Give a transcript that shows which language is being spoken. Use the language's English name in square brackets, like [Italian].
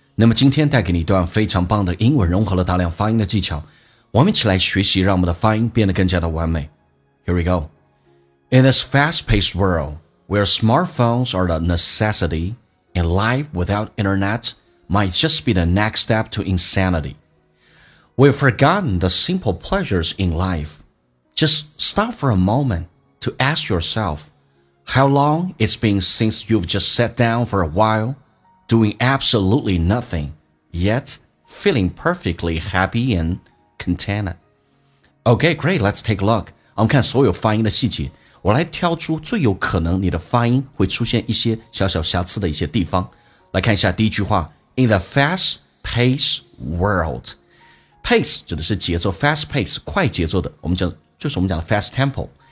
[Chinese] 那么今天带给你一段非常棒的英文，融合了大量发音的技巧，我们一起来学习，让我们的发音变得更加的完美。 [English] Here we go. In this fast-paced world where smartphones are a necessity and life without internet might just be the next step to insanity, we've forgotten the simple pleasures in life. Just stop for a moment to ask yourselfHow long it's been since you've just sat down for a while, doing absolutely nothing, yet feeling perfectly happy and contented. Okay, great, let's take a look. [Chinese] 我们看所有发音的细节，我来挑出最有可能你的发音会出现一些小小瑕疵的一些地方。来看一下第一句话， [English] In the fast-paced world. [Chinese] Pace 指的是节奏， fast-paced, 快节奏的，我们讲就是我们讲的 [English] fast tempo.